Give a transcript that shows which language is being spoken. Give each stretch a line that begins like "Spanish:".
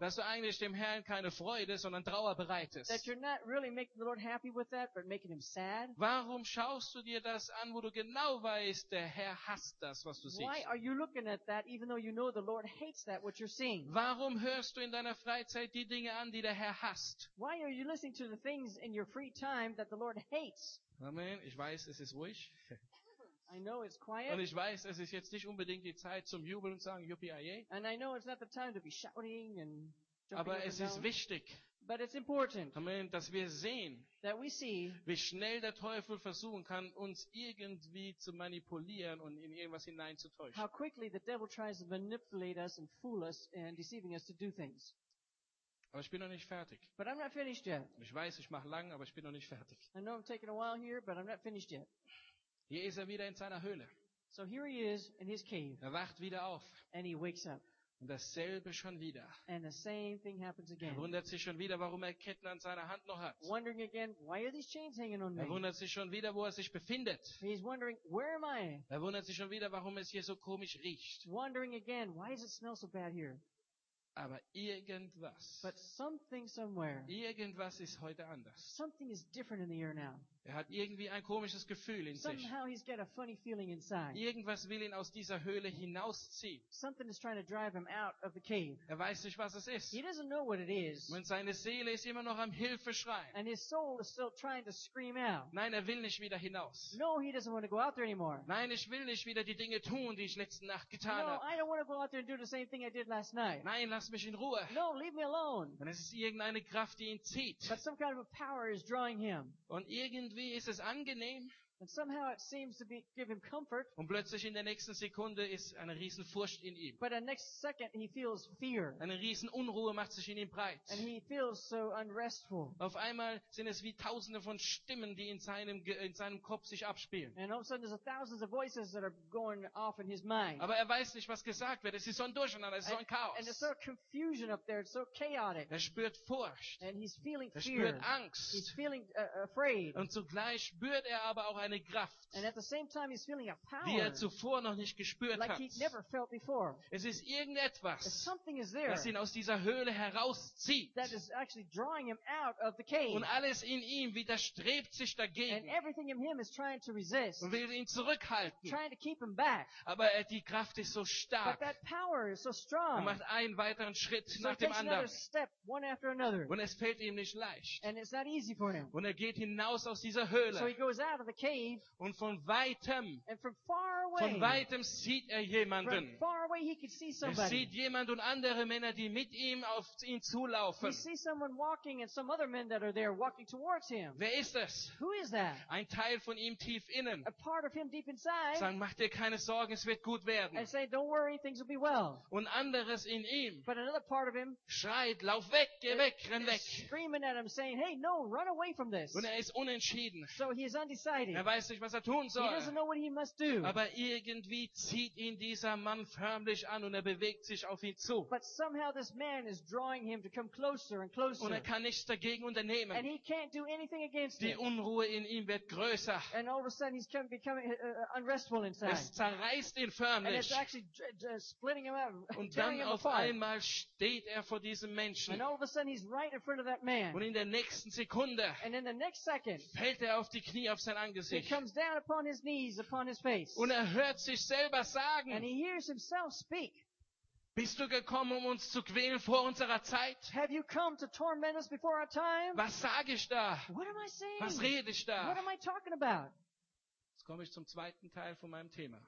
German: dass du eigentlich dem Herrn keine Freude, sondern Trauer bereitest. Warum schaust du dir das an, wo du genau weißt, der Herr hasst das, was du siehst?
English: Why are you looking at that, even though you know the Lord hates that, what you're seeing?
German: Warum hörst du in deiner Freizeit die Dinge an, die der Herr hasst?
English: Why are you listening to the things in your free time that the Lord hates?
German: Amen. Ich weiß, es ist ruhig.
English: I know it's quiet.
German: Und ich weiß, es ist jetzt nicht unbedingt die Zeit zum Jubeln und sagen, Yuppie, aye.
English: And I know it's not the time to be shouting and jumping.
German: Aber es ist wichtig.
English: But it's important.
German: Amen. Dass wir sehen,
English: that we see,
German: wie schnell der Teufel versuchen kann, uns irgendwie zu manipulieren und in irgendwas hineinzutäuschen.
English: How quickly the devil tries to manipulate us and fool us and deceiving us to do things.
German: Aber ich bin noch nicht fertig.
English: But I'm not finished yet.
German: Ich weiß, ich mache lang, aber ich bin noch nicht fertig.
English: I know I'm taking a while here, but I'm not finished yet.
German: Hier ist er wieder in seiner Höhle.
English: So here he is in his cave.
German: Er wacht wieder auf.
English: And he wakes up.
German: Und dasselbe schon wieder.
English: And the same thing happens again.
German: Er wundert sich schon wieder, warum er Ketten an seiner Hand noch hat.
English: Wondering again, why are these chains hanging on me?
German: Er wundert sich schon wieder, wo er sich befindet.
English: He's wondering, where am I?
German: Er wundert sich schon wieder, warum es hier so komisch riecht.
English: Wondering again, why does it smell so bad here?
German: Aber irgendwas.
English: But something somewhere.
German: Irgendwas ist heute anders.
English: Something is different in the air now.
German: Er hat irgendwie ein komisches Gefühl in
English: somehow
German: sich.
English: Somehow he's got a funny feeling inside.
German: Irgendwas will ihn aus dieser Höhle hinausziehen.
English: Something is trying to drive him out of the cave.
German: Er weiß nicht, was es ist.
English: He doesn't know what it is.
German: Und seine Seele ist immer noch am Hilfeschreien.
English: And his soul is still trying to scream out.
German: Nein, er will nicht wieder hinaus.
English: No, he doesn't want to go out there anymore.
German: Nein, ich will nicht wieder die Dinge tun, die ich letzte Nacht getan habe.
English: No, I don't want to go out there and do the same thing I did last night.
German: Nein, lass mich in Ruhe.
English: No, leave me alone.
German: Und es ist irgendeine Kraft, die ihn zieht.
English: But some kind of a power is drawing him.
German: Und irgendwie ist es angenehm.
English: And somehow it seems to be give him comfort.
German: Und plötzlich in der nächsten Sekunde ist eine riesen Furcht in ihm.
English: But the next second he feels fear.
German: Eine riesen Unruhe macht sich in ihm breit.
English: And he feels so unrestful.
German: Auf einmal sind es wie tausende von Stimmen, die in seinem Kopf sich abspielen.
English: And all of a sudden there's thousands of voices that are going off in his mind.
German: Aber er weiß nicht, was gesagt wird. Es ist so ein Durcheinander, es ist so ein Chaos.
English: And there's so confusion up there, it's so chaotic.
German: Er spürt Furcht.
English: And he's feeling fear.
German: Er spürt Angst.
English: He's feeling afraid.
German: Und zugleich spürt er aber auch eine Kraft,
English: and at the same time he's feeling a power,
German: die er zuvor noch nicht gespürt
English: like
German: hat.
English: He'd never felt before.
German: Es ist irgendetwas,
English: something is there,
German: das ihn aus dieser Höhle herauszieht.
English: That is actually drawing him out of the cave.
German: Und alles in ihm widerstrebt sich dagegen.
English: And everything in him is trying to resist,
German: und will ihn zurückhalten.
English: Trying to keep him back.
German: Aber die Kraft ist so stark.
English: But that power is so strong.
German: Er macht einen weiteren Schritt
English: so
German: nach dem anderen.
English: Another step, one after another.
German: Und es fällt ihm nicht leicht.
English: And it's not easy for him.
German: Und er geht hinaus aus dieser Höhle.
English: So he goes out of the cave.
German: Und von weitem,
English: and from far away,
German: von weitem sieht er jemanden.
English: From far away he could see somebody.
German: Er sieht jemanden und andere Männer, die mit ihm auf ihn zulaufen.
English: He sees someone walking and some other men that are there walking towards him.
German: Wer ist das?
English: Who is that?
German: Ein Teil von ihm tief innen.
English: A part of him deep inside.
German: Sagen, mach dir keine Sorgen, es wird gut werden.
English: And say, don't worry, things will be well.
German: Und anderes in ihm.
English: But another part of him
German: schreit, lauf weg, geh weg, renn weg.
English: Screaming at him, saying, hey, no, run away from this.
German: Und er ist unentschieden.
English: So he is undecided.
German: Er weiß nicht, was er tun soll.
English: He doesn't know what he must do.
German: Aber irgendwie zieht ihn dieser Mann förmlich an und er bewegt sich auf ihn zu.
English: But somehow this man is drawing him to come closer and closer.
German: Und er kann nichts dagegen unternehmen.
English: And he can't do anything against it.
German: Die Unruhe in ihm wird größer.
English: And all of a sudden he's becoming unrestful inside.
German: Es zerreißt ihn förmlich.
English: And it's actually splitting him up.
German: Und dann auf einmal steht er vor diesem Menschen.
English: And all of a sudden he's right in front of that man.
German: Und in der nächsten Sekunde,
English: and in the next second,
German: fällt er auf die Knie auf sein Angesicht.
English: He comes down upon his knees, upon his face.
German: Und er hört sich selber sagen.
English: And he hears himself speak.
German: Bist du gekommen, um uns zu quälen vor unserer Zeit?
English: Have you come to torment us before our time?
German: Was sage ich da?
English: What am I saying?
German: Was rede ich da?
English: What am I talking about?
German: Jetzt komme ich zum zweiten Teil von meinem Thema.